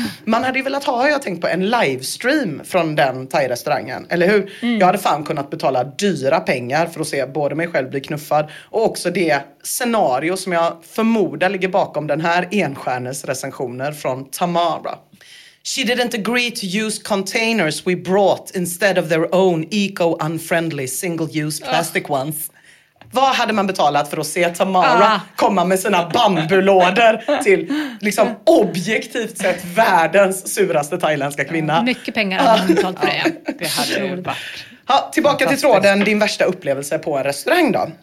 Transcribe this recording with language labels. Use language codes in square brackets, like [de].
[sv] Man hade ju velat ha, jag tänkt på, en livestream från den thai-restaurangen. Eller hur? Mm. Jag hade fan kunnat betala dyra pengar för att se både mig själv bli knuffad. Och också det scenario som jag förmodar ligger bakom den här enstjärnes recensioner från Tamara. [en] She didn't agree to use containers we brought instead of their own eco-unfriendly single-use plastic ones. [sv] Vad hade man betalat för att se Tamara komma med sina bambulådor till liksom objektivt sett världens suraste thailändska kvinna? Mycket pengar hade man betalat för det. Det hade ju varit. Ha, tillbaka till tråden, din värsta upplevelse på en restaurang då?